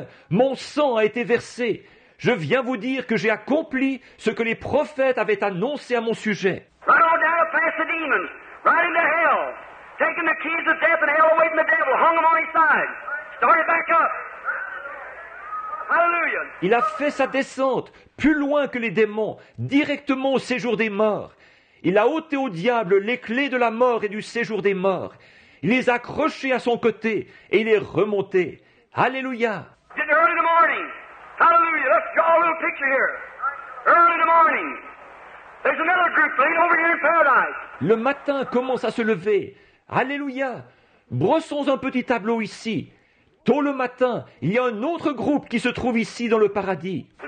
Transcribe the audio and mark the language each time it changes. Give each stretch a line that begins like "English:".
French: Mon sang a été versé. Je viens vous dire que j'ai accompli ce que les prophètes avaient annoncé à mon sujet.
English: Right on down past the demons, right into hell, taking the keys of death and hell away from the devil, hung them on his side, started back up.
French: Il a fait sa descente plus loin que les démons, directement au séjour des morts. Il a ôté au diable les clés de la mort et du séjour des morts. Il les a accrochés à son côté et il est remonté. Alléluia.
English: Early in the morning. Hallelujah. Let's draw a little picture here. Early in the morning. There's another group laying over here in paradise.
French: Le matin commence à se lever. Alléluia. Brossons un petit tableau ici. Tôt le matin, il y a un autre groupe qui se trouve ici dans le paradis.